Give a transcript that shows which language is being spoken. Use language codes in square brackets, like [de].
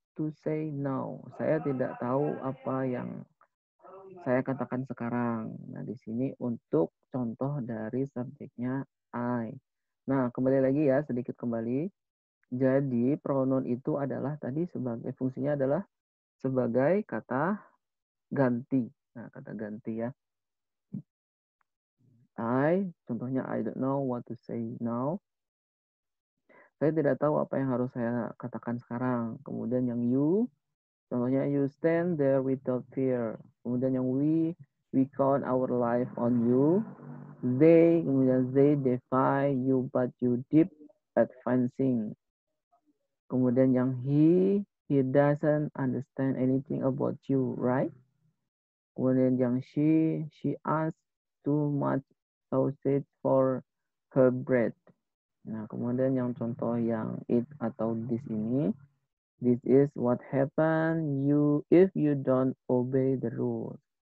[en] to say no. [id] Saya tidak tahu apa yang saya katakan sekarang. Nah, di sini untuk contoh dari subjeknya I. Nah, kembali lagi ya, sedikit kembali. Jadi, pronoun itu adalah tadi sebagai fungsinya adalah sebagai kata ganti. Nah, kata ganti ya. [en] I, contohnya I don't know what to say now. [id] Saya tidak tahu apa yang harus saya katakan sekarang. Kemudian yang you, contohnya [en] you stand there without fear. [id] Kemudian yang [en] we count our life on you. They, [id] kemudian [en] they defy you but you deep advancing. [id] Kemudian yang [en] he doesn't understand anything about you, right? [id] Kemudian yang [en] she asks too much sausage for her bread. [id] Nah, kemudian yang contoh yang it atau this ini. [en] This is what happen you if you don't obey the rule.